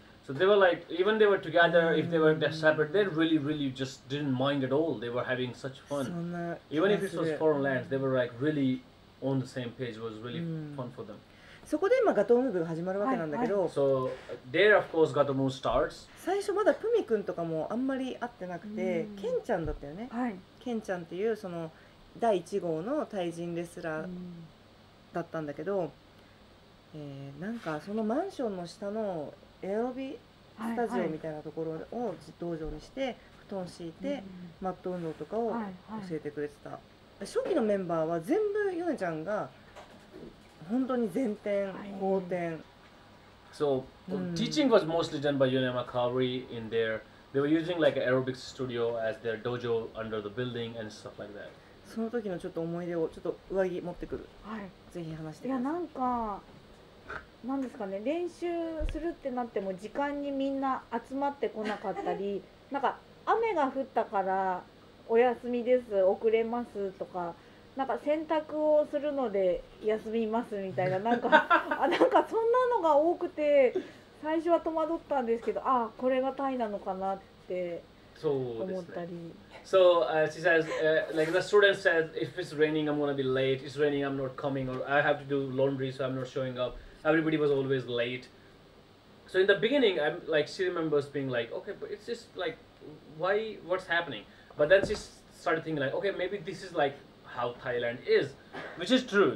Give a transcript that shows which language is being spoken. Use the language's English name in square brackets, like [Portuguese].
[English] So they were like, even they were together, if they were separate, they really, really just didn't mind at all. They were having such fun. [Japanese] そんな [English] even if it was foreign lands, they were like really on the same page. It was really fun for them. [Japanese] そこで今ガトムーブが始まるわけなんだけど、はいはい、 [English] So there of course ガトムーブ starts. [Japanese] 最初まだプミ君とかもあんまり会ってなくて、ケンちゃんだったよね、はい、ケンちゃんっていうその第一号のタイ人レスラーだったんだけど、なんかそのマンションの下のエアロビスタジオみたいなところを道場にして布団敷いてマット運動とかを教えてくれてた、はいはい、初期のメンバーは全部ヨネちゃんが本当に前転、後転、はい、 [English] So, teaching was mostly done by Yonema Kauri in there. They were using like an aerobics studio as their dojo under the building and stuff like that. [Japanese] その時のちょっと思い出をちょっと上着持ってくる、はい、ぜひ話してください。いやなんかなんですかね、練習するってなっても時間にみんな集まってこなかったりなんか雨が降ったからお休みです、遅れますとかなんか洗濯をするので休みますみたいな、なんかあなんかそんなのが多くて最初は戸惑ったんですけど、あこれがタイなのかなって思ったり。そうですね。 [English] So, she says, like the student says, if it's raining I'm gonna be late, it's raining I'm not coming, or I have to do laundry so I'm not showing up. Everybody was always late. So in the beginning, I'm like, she remembers being like, okay, but it's just like, why, what's happening? But then she started thinking like, okay, maybe this is like,how Thailand is, which is true.